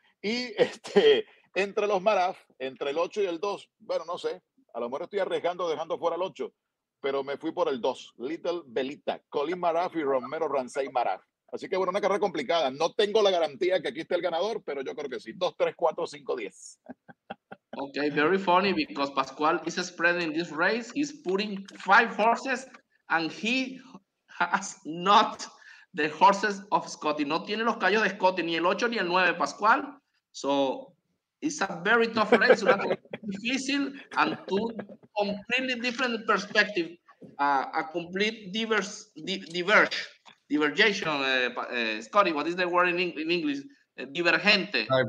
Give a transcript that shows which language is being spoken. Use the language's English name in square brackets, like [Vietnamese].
[Spanish] Y entre los Maraf, entre el 8 y el 2, bueno, no sé, a lo mejor estoy arriesgando dejando fuera el 8, pero me fui por el 2, Little Belita, Colin Maraf y Romero Ransay Maraf. Así que bueno, una carrera complicada. No tengo la garantía que aquí esté el ganador, pero yo creo que sí. 2, 3, 4, 5, 10. [English] Ok, very funny, because Pascual is spreading this race. He's putting 5 horses and he has not the horses of Scotty. [Spanish] No tiene los callos de Scotty, ni el 8 ni el 9, Pascual. [English] So... it's a very tough race, [Spanish] una difícil, [English] and two completely different perspective, a complete divergation. Scotty, what is the word in English? Divergente.